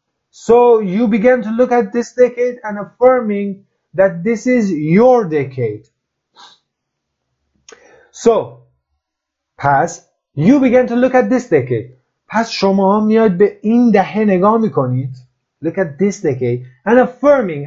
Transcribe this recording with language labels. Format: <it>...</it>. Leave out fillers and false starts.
<en>So you begin to look at this decade and affirming that this is your decade. So</en> <fa>پس</fa> <en>you begin to look at this decade.</en> <fa>پس شما میاد به این دهه نگاه میکنید.</fa> <en>Look at this decade and affirming.</en>